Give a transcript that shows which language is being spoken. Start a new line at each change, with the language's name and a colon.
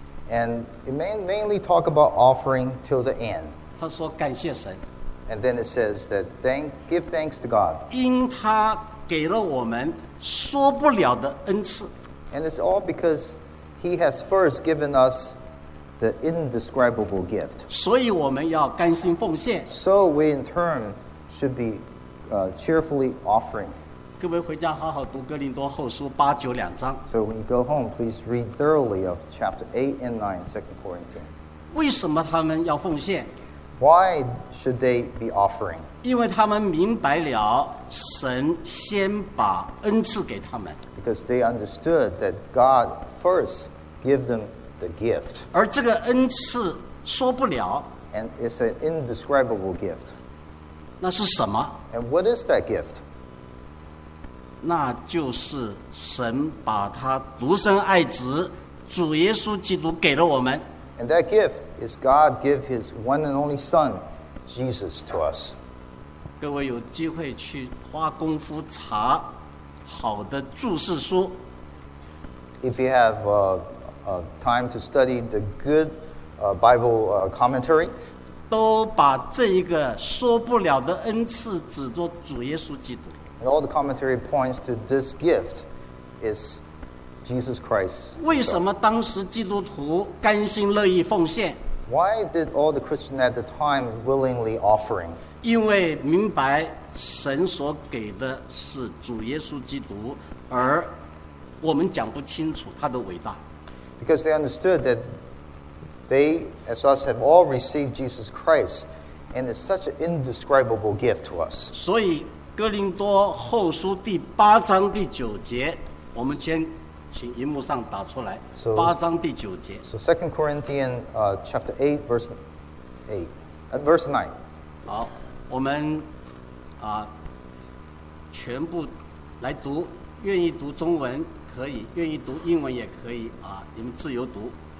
English: And it mainly talk about offering till the end.
Chinese: 他说感谢神。
English: And then it says that give thanks to God.
Chinese: 因他给了我们说不了的恩赐
English: and it's all because he has first given us the indescribable gift
Chinese: 所以我们要甘心奉献
English: so we in turn should be cheerfully offering
Chinese: 各位回家好好读哥林多后书八九两章。
English: So when you go home, please read thoroughly of chapter 8 and 9, 2 Corinthians.
Chinese: 为什么他们要奉献？
English: Why should they be offering?
Chinese: 因为他们明白了神先把恩赐给他们。
English: Because they understood that God first gave them the gift.
Chinese: 而这个恩赐说不了。
English: And it's an indescribable gift.
Chinese: 那是什么？
English: And what is that gift?
Chinese: 那就是神把他独生爱子主耶稣基督给了我们。
English: And that gift is God give his one and only son, Jesus, to us.
Chinese: 各位有机会去花功夫查好的注释书。
English: If you have time to study the good Bible commentary,
Chinese: 都把这一个说不了的恩赐指作主耶稣基督。
English: And all the commentary points to this gift is Jesus Christ.
Chinese: 为什么当时基督徒甘心乐意奉献？
English: Why did all the Christians at the time willingly offering?
Chinese: 因为明白神所给的是主耶稣基督，而我们讲不清楚他的伟大。
English: Because they understood that they, as us, have all received Jesus Christ, and it's such an indescribable gift to us.
Chinese: 所以哥林多后书第八章第九节，我们先请荧幕上打出来。
English: So,
Chinese: 八章第九节。
English: So 2 Corinthians chapter 8 verse 9.
Chinese: 好，我们全部来读，愿意读中文可以，愿意读英文也可以啊，你们自由读。